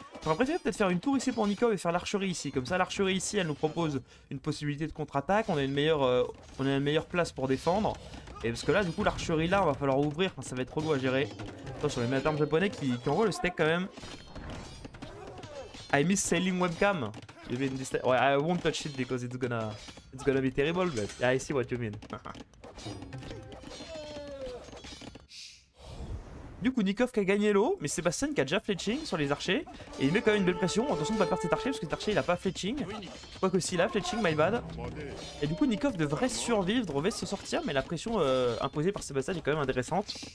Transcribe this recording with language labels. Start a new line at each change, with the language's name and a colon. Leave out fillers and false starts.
French: J'aurais préféré peut-être faire une tour ici pour Nikov et faire l'archerie ici. Comme ça l'archerie ici elle nous propose une possibilité de contre-attaque, on a une meilleure, on a une meilleure place pour défendre. Et parce que là, du coup, l'archerie là, on va falloir ouvrir. Enfin, ça va être trop lourd à gérer. Attention, les Ménatarn japonais qui envoient le steak quand même.
English: I miss sailing webcam.
French: Ouais,
English: I won't touch it because it's gonna be terrible, but I see what you mean.
French: Du coup, Nikov qui a gagné l'eau, mais Sébastien qui a déjà fletching sur les archers. Et il met quand même une belle pression. Attention de pas perdre cet archer parce que cet archer il a pas fletching. Quoi que si, là, fletching,
English: my bad.
French: Et du coup, Nikov devrait survivre, devrait se sortir, mais la pression imposée par Sébastien est quand même intéressante.